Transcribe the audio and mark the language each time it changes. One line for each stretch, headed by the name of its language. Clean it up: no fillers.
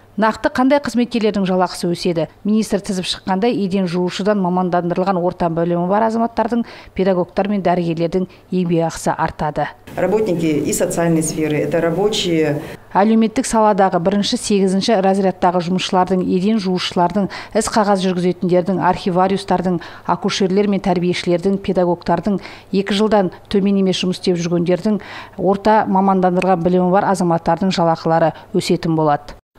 Kazakh: Нақты қандай қызметкерлердің жалақысы өседі? Министр тізіп шыққанда еден жуушыдан мамандандырылған орта білімі бар азаматтардың, педагогтар мен дәрігерлердің еңбекақысы артады.
Russian: Работники и социальной сферы – это рабочие.
Kazakh: Әлеуметтік саладағы 1-8 разрядтағы жұмысшылардың, еден жуушылардың, іс қағаз жүргізетіндердің, архивариустардың, акушерлер мен тәрбиешілердің, педагогтардың, 2 жылдан төмен емес жұмыс істеп жүргендердің, орта мамандандырған білімі бар азаматтардың жалақылары өсетін болады.